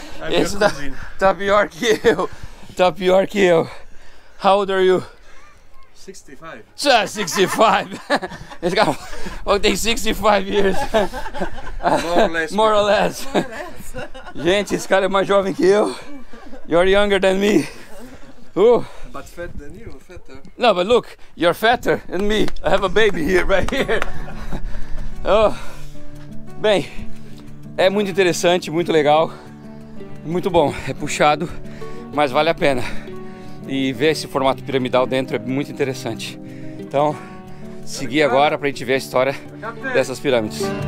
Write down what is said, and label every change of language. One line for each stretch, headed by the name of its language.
Portuguese: Esse tá pior que eu. Tá pior que eu.
English: How old are you? 65. 65.
Portuguese: Esse cara falou que tem 65
English: years. More or less.
Portuguese: Gente, esse cara é mais jovem que eu.
English: You're younger than me. But fat than you, fatter. No, but look, you're fatter than me. I have a baby here, right here.
Portuguese: Bem, é muito interessante, muito legal, muito bom. É puxado, mas vale a pena. E ver esse formato piramidal dentro é muito interessante. Então, seguir agora pra gente ver a história dessas pirâmides.